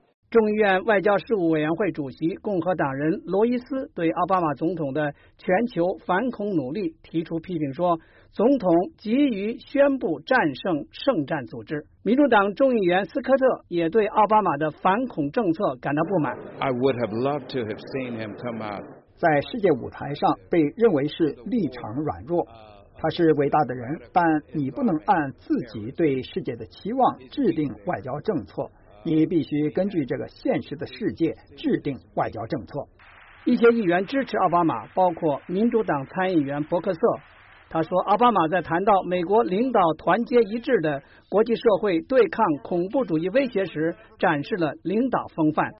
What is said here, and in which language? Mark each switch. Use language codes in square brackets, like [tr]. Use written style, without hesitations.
[zh] 众议院外交事务委员会主席共和党人罗伊斯对奥巴马总统的全球反恐努力提出批评，说总统急于宣布战胜圣战组织。民主党众议员斯科特也对奥巴马的反恐政策感到不满。 [en] I would have loved to have seen him come out. [zh] 在世界舞台上被认为是立场软弱，他是伟大的人，但你不能按自己对世界的期望制定外交政策，你必须根据这个现实的世界制定外交政策。一些议员支持奥巴马，包括民主党参议员伯克瑟，他说奥巴马在谈到美国领导团结一致的国际社会对抗恐怖主义威胁时展示了领导风范。